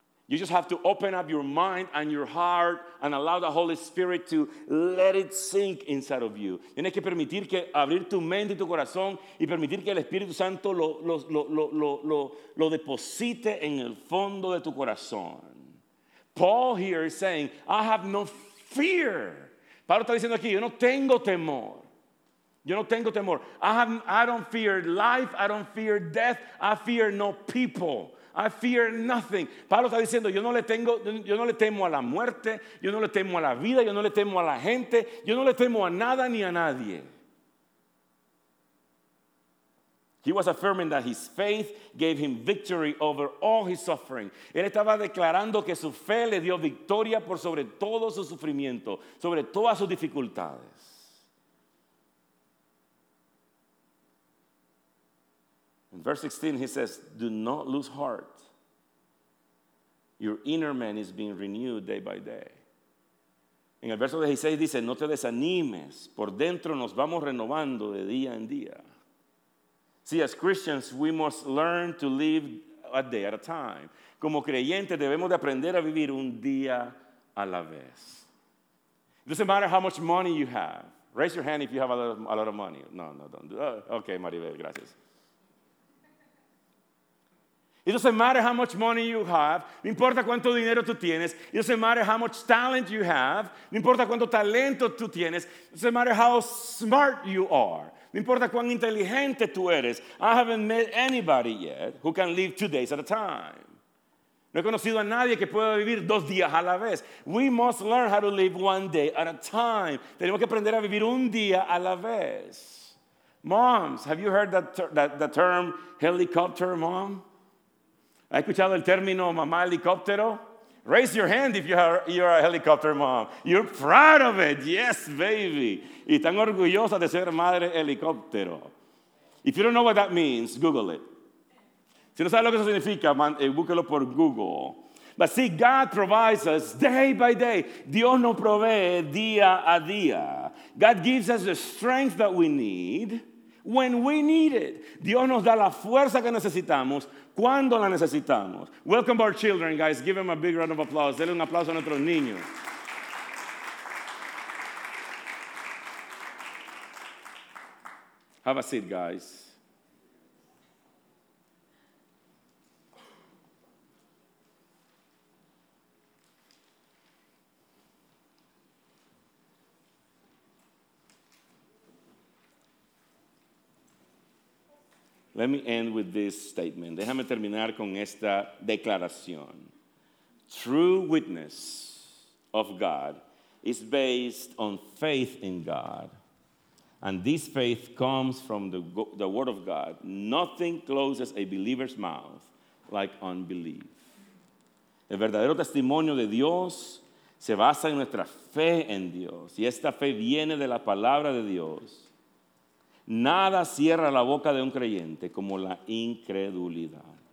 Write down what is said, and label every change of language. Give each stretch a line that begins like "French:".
English: You just have to open up your mind and your heart and allow the Holy Spirit to let it sink inside of you.
Spanish: Tienes que permitir que abrir tu mente y tu corazón y permitir que el Espíritu Santo lo deposite en el fondo de tu corazón.
English: Paul here is saying, I have no fear.
Spanish: Pablo está diciendo aquí, yo no tengo temor. Yo no tengo temor.
English: I don't fear life. I don't fear death. I fear no people. I fear nothing.
Spanish: Pablo está diciendo, yo no le temo a la muerte, yo no le temo a la vida, yo no le temo a la gente, yo no le temo a nada ni a nadie.
English: He was affirming that his faith gave him victory over all his suffering.
Spanish: Él estaba declarando que su fe le dio victoria por sobre todo su sufrimiento, sobre todas sus dificultades.
English: In verse 16, he says, do not lose heart. Your inner man is being renewed day by day.
Spanish: En el verso 16 dice, no te desanimes. Por dentro nos vamos renovando de día en día.
English: See, as Christians, we must learn to live a day at a time.
Spanish: Como creyentes, debemos de aprender a vivir un día a la vez.
English: It doesn't matter how much money you have. Raise your hand if you have a lot of money. No, don't do that. Okay, Maribel, gracias. It doesn't matter how much money you have.
Spanish: No importa cuánto dinero tú tienes.
English: It doesn't matter how much talent you have.
Spanish: No importa cuánto talento tú tienes.
English: It doesn't matter how smart you are.
Spanish: No importa cuán inteligente tú eres.
English: I haven't met anybody yet who can live 2 days at a time.
Spanish: No he conocido a nadie que pueda vivir 2 días a la vez.
English: We must learn how to live 1 day at a time.
Spanish: Tenemos que aprender a vivir un día a la vez.
English: Moms, have you heard the term helicopter mom?
Spanish: ¿Has escuchado el término mamá helicóptero?
English: Raise your hand if you're a helicopter mom. You're proud of it. Yes, baby.
Spanish: Y tan orgullosa de ser madre helicóptero.
English: If you don't know what that means, Google it.
Spanish: Si no sabes lo que eso significa, búsquelo por Google.
English: But see, God provides us day by day.
Spanish: Dios nos provee día a día.
English: God gives us the strength that we need when we need it.
Spanish: Dios nos da la fuerza que necesitamos cuando la necesitamos.
English: Welcome our children, guys. Give them a big round of applause.
Spanish: Denle un aplauso a nuestros niños.
English: Have a seat, guys. Let me end with this statement.
Spanish: Déjame terminar con esta declaración.
English: True witness of God is based on faith in God. And this faith comes from the Word of God. Nothing closes a believer's mouth like unbelief.
Spanish: El verdadero testimonio de Dios se basa en nuestra fe en Dios. Y esta fe viene de la palabra de Dios. Nada cierra la boca de un creyente como la incredulidad.